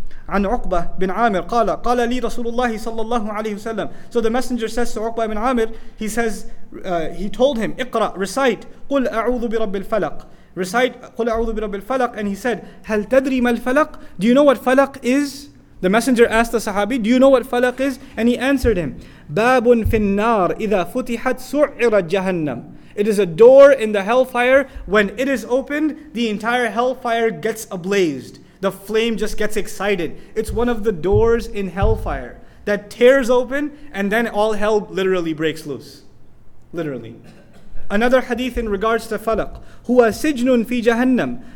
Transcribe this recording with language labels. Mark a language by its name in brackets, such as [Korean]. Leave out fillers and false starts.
[Arabic] عن عقبة بن عامر قال قال لي رسول الله صلى الله عليه وسلم. [English] So the messenger says to عقبة بن عامر, he says, he told him, اقرأ, recite, [Arabic] قل أعوذ برب الفلق. [English] Recite, [Arabic] قل أعوذ برب الفلق. [English] And he said, [Arabic] هل تدري ما الفلق? [English] Do you know what فلق is? The messenger asked the sahabi, do you know what فلق is? [Arabic] And he answered him, باب في النار إذا فتحت سعرت جهنم. [English] It is a door in the hellfire. When it is opened, the entire hellfire gets ablazed. The flame just gets excited. It's one of the doors in hellfire that tears open and then all hell literally breaks loose. Literally. Another hadith in regards to Falaq. [Arabic] Huwa sijnun fi jahannam.